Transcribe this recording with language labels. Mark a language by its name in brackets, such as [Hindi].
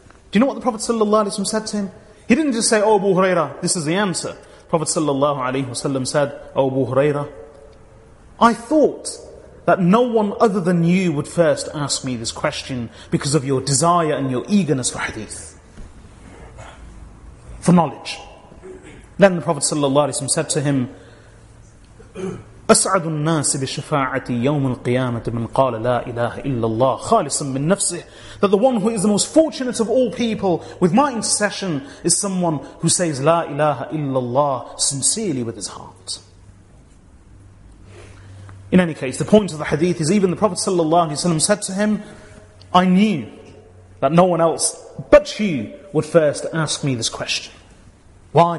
[English] Do you know what the Prophet sallallahu alaihi wasallam said to him? He didn't just say, Abu Huraira, this is the answer. Prophet sallallahu alaihi wasallam said, Abu Huraira, I thought that no one other than you would first ask me this question because of your desire and your eagerness for hadith, for knowledge. Then the Prophet sallallahu alaihi wasallam said to him, [Arabic] أسعد الناس بشفاعة يوم القيامة من قال لا إله إلا الله خالصا من نفسه. [English] That the one who is the most fortunate of all people with my intercession is someone who says [Arabic] لا إله إلا الله [English] sincerely with his heart. In any case, the point of the hadith is even the Prophet sallallahu alaihi wasallam said to him, I knew that no one else but you would first ask me this question. Why?